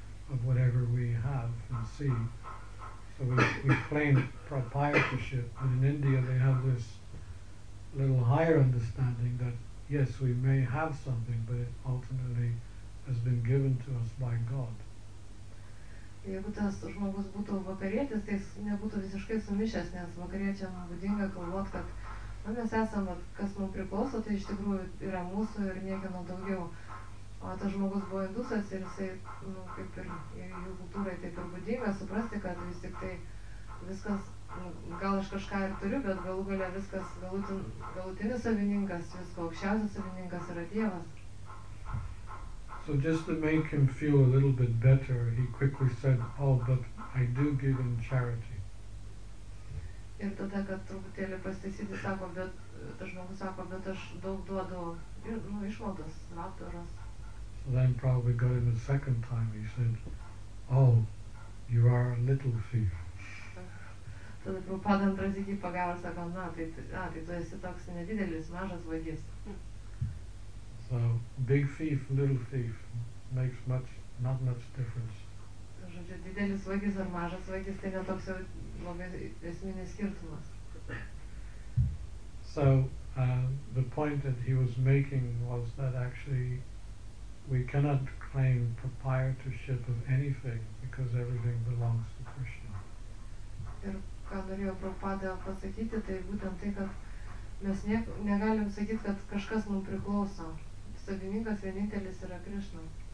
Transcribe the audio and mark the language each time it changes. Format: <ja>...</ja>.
<en>of whatever we have and see. So we claim proprietorship, and in India they have this little higher understanding that yes, we may have something, but it ultimately has been given to us by God.</en> <lt>Jeigu tas žmogus būtų vakarietis, tai jis nebūtų visiškai sumišęs, nes vakariečiam būdinga galvot, kad na, mes esame, kas mums priklauso, tai iš tikrųjų yra mūsų ir niekieno daugiau. O tas žmogus buvo indusas ir jisai, nu, kaip ir jų kultūrai taip ir būdinga, suprasti, kad vis tik tai viskas, gal aš kažką ir turiu, bet galų galia viskas, galutinis savininkas, visko aukščiausias savininkas yra Dievas.</lt> <en>So just to make him feel a little bit better, he quickly said, oh, but I do give in charity.</en> <lt>Ir tada, kad truputėlį pasteisyti, sako, bet, tas žmogus sako, bet aš daug duodu, nu, išmaldas, labdaras.</lt> <en>So then probably got him a second time, he said, oh, you are a little thief.</en> <lt>Tada Prabhupada antras iki pagavo, sako, na, tai tu esi toks nedidelis, mažas vagis.</lt> <en>So, big thief, little thief, makes much, not much difference.</en> <lt>Žodžiu, didelis vagis ar mažas vagis, tai netoks jau labai esminis skirtumas.</lt> <en>So, the point that he was making was that actually we cannot claim proprietorship of anything because everything belongs to Krishna.</en> <lt>Ir ką norėjo Prabhupada pasakyti, tai būtent tai, kad mes negalim sakyti, kad kažkas mums priklauso. Savininkas vienintelis yra Krishna.</lt>